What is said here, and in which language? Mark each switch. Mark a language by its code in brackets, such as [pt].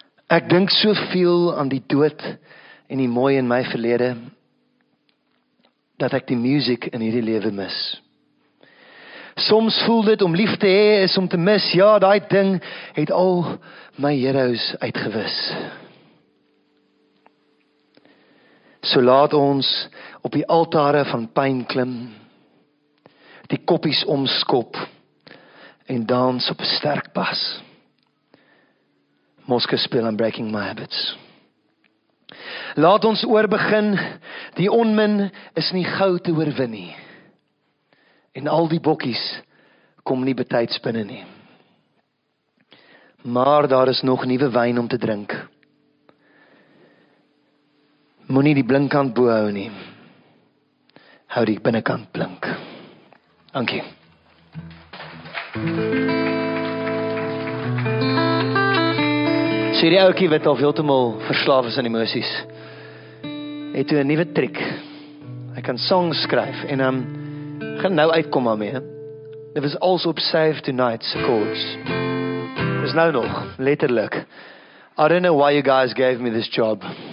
[af] Ek dink soveel aan die dood en die mooi in my verlede, dat ek die music in hierdie lewe mis. Soms voel dit om lief te hê is om te mis. Ja, daai ding het al my heroes uitgewis. So laat ons op die altare van pyn klim, die koppies omskop en dans op 'n sterk bas. Moske speel aan Breaking My Habits. Laat ons oorbegin, die onmin is nie gou te oorwin nie. En al die bokkies kom nie betyds binne nie. Maar daar is nog nuwe wyn om te drink. Moenie die blinkkant bo hou nie. Hou die binnekant blink. Dankie. So hierdie ouetjie wat al heeltemal verslaaf is aan emosies, het toe 'n nuwe triek. Hy kan songs skryf en gaan nou uitkom daarmee. Dit was also op Save Tonight's chords. Dis nou nog, letterlik. [en] I don't know why you guys gave me this job.